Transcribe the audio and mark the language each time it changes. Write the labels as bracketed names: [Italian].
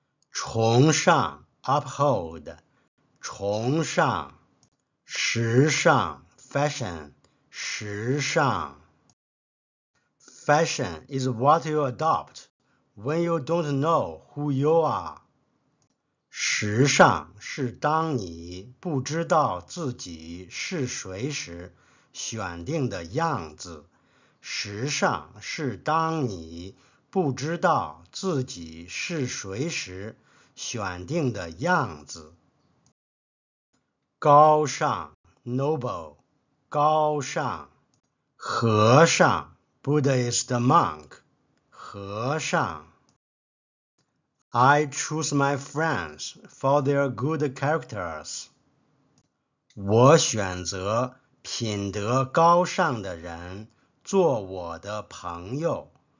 [Chinese] 崇尚 uphold， 崇尚，时尚 fashion， 时尚。 [English] Fashion is what you adopt when you don't know who you are。 [Chinese] 时尚是当你不知道自己是谁时选定的样子。时尚是当你不知道自己是谁时。选定的样子。高尚 noble， 高尚。和尚 Buddhist monk， 和尚。 [English] I choose my friends for their good characters。 [Chinese] 我选择品德高尚的人做我的朋友。